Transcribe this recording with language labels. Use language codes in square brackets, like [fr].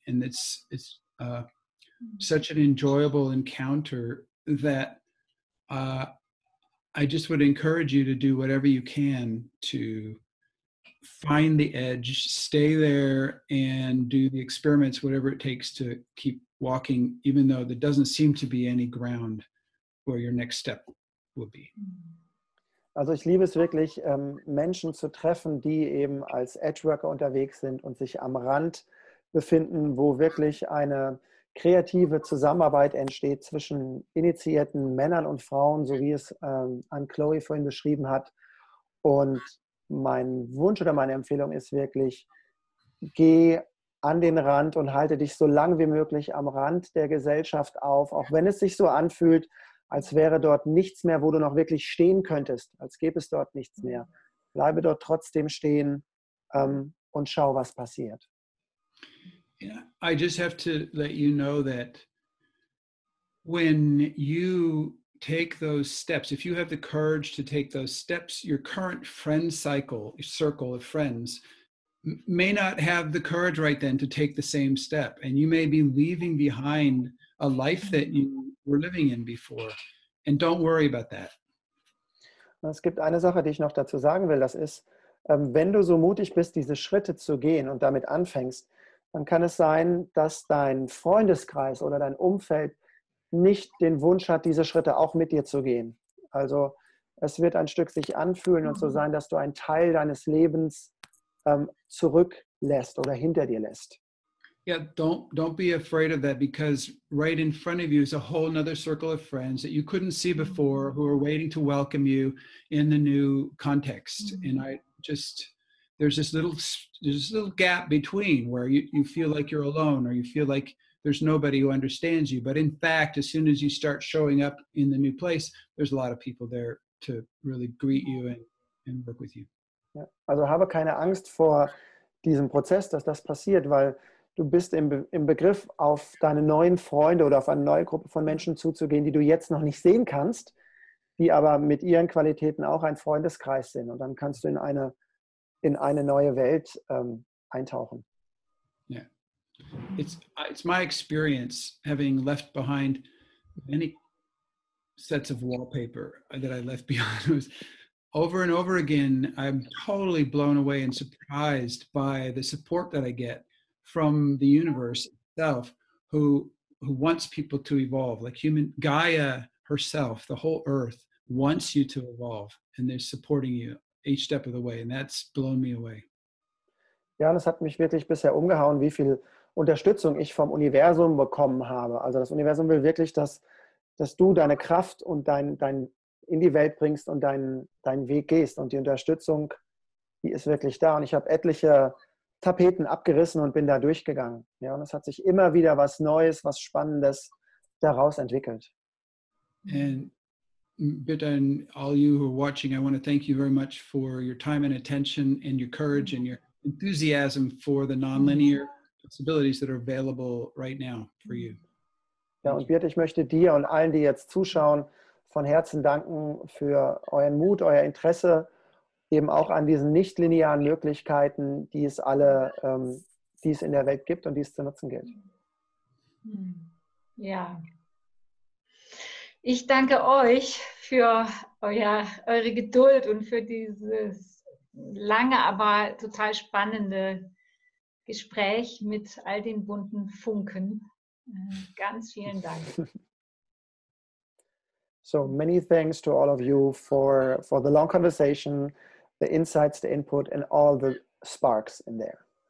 [en] And it's such an enjoyable encounter that I just would encourage you to do whatever you can to find the edge, stay there and do the experiments, whatever it takes to keep walking, even though there doesn't seem to be any ground where your next step will be. [de] Also ich liebe es wirklich, Menschen zu treffen, die eben als Edgeworker unterwegs sind und sich am Rand befinden, wo wirklich eine kreative Zusammenarbeit entsteht zwischen initiierten Männern und Frauen, so wie es Ann Chloe vorhin beschrieben hat. Und mein Wunsch oder meine Empfehlung ist wirklich, geh an den Rand und halte dich so lang wie möglich am Rand der Gesellschaft auf, auch wenn es sich so anfühlt, als wäre dort nichts mehr, wo du noch wirklich stehen könntest, als gäbe es dort nichts mehr. Bleibe dort trotzdem stehen und schau, was passiert. [en] Yeah, I just have to let you know that when you take those steps, if you have the courage to take those steps, your current friend cycle, your circle of friends, may not have the courage right then to take the same step. And you may be leaving behind a life that you were living in before. And don't worry about that. [de] Es gibt eine Sache, die ich noch dazu sagen will, das ist, wenn du so mutig bist, diese Schritte zu gehen und damit anfängst, dann kann es sein, dass dein Freundeskreis oder dein Umfeld nicht den Wunsch hat, diese Schritte auch mit dir zu gehen. Also es wird ein Stück sich anfühlen und so sein, dass du einen Teil deines Lebens zurücklässt oder hinter dir lässt. [en] Yeah, don't be afraid of that, because right in front of you is a whole another circle of friends that you couldn't see before, who are waiting to welcome you in the new context. And I just, there's this little gap between where you feel like you're alone, or you feel like there's nobody who understands you. But in fact, as soon as you start showing up in the new place, there's a lot of people there to really greet you and work with you. [de] Ja, also habe keine Angst vor diesem Prozess, dass das passiert, weil du bist im Begriff, auf deine neuen Freunde oder auf eine neue Gruppe von Menschen zuzugehen, die du jetzt noch nicht sehen kannst, die aber mit ihren Qualitäten auch ein Freundeskreis sind. Und dann kannst du in eine neue Welt eintauchen. Ja, yeah. [en] It's my experience, having left behind many sets of wallpaper that I left behind. Over and over again, I'm totally blown away and surprised by the support that I get from the universe itself, who wants people to evolve. Like human Gaia herself, the whole earth wants you to evolve, and they're supporting you each step of the way, and that's blown me away. [de] Ja, das hat mich wirklich bisher umgehauen, wie viel Unterstützung ich vom Universum bekommen habe. Also das Universum will wirklich, dass du deine Kraft und dein in die Welt bringst und deinen Weg gehst. Und die Unterstützung, die ist wirklich da. Und ich habe etliche Tapeten abgerissen und bin da durchgegangen. Ja, und es hat sich immer wieder was Neues, was Spannendes daraus entwickelt. [en] And [de] bitte [en] an all you who are watching, I want to thank you very much for your time and attention and your courage and your enthusiasm for the nonlinear possibilities that are available right now for you. [de] Ja, und Birte, ich möchte dir und allen, die jetzt zuschauen, von Herzen danken für euren Mut, euer Interesse, eben auch an diesen nichtlinearen Möglichkeiten, die es alle, die es in der Welt gibt und die es zu nutzen gilt. Ja. Ich danke euch für eure Geduld und für dieses lange, aber total spannende Gespräch mit all den bunten Funken. Ganz vielen Dank. [en] So many thanks to all of you for the long conversation, the insights, the input and all the sparks in there.